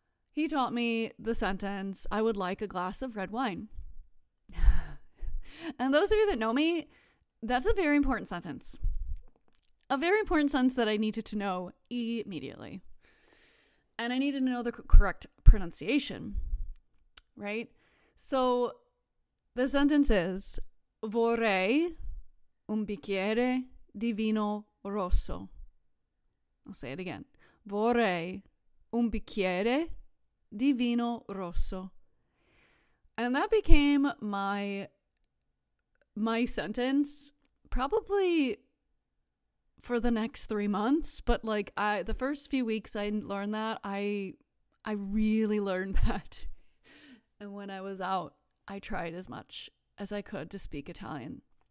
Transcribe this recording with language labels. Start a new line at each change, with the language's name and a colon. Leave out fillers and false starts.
English: He taught me the sentence, I would like a glass of red wine. And those of you that know me, that's a very important sentence. A very important sentence that I needed to know immediately. And I needed to know the correct pronunciation, right? So the sentence is,
Italian: vorrei un bicchiere di vino rosso.
English: I'll say it again.
Italian: Vorrei un bicchiere di vino rosso.
English: And that became my sentence probably for the next 3 months. But like the first few weeks I learned that, I really learned that. And when I was out, I tried as much as I could to speak Italian.